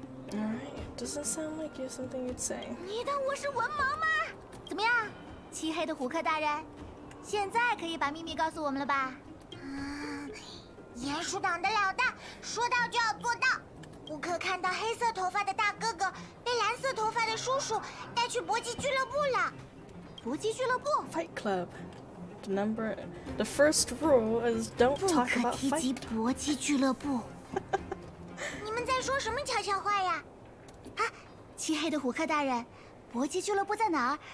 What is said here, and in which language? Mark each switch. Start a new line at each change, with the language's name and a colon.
English: Alright, doesn't sound like you something you'd say.
Chinese: 你当我是文盲吗？怎么样，漆黑的虎克大人，现在可以把秘密告诉我们了吧？鼹鼠党的老大，说到就要做到。顾客看到黑色头发的大哥哥被蓝色头发的叔叔带去搏击俱乐部了。搏击俱乐部
English: ？Fight club. The first rule is don't talk about fight.
Chinese: 不可提及搏击俱乐部。你们在说什么悄悄话呀？啊，漆黑的虎克大人，搏击俱乐部在哪儿？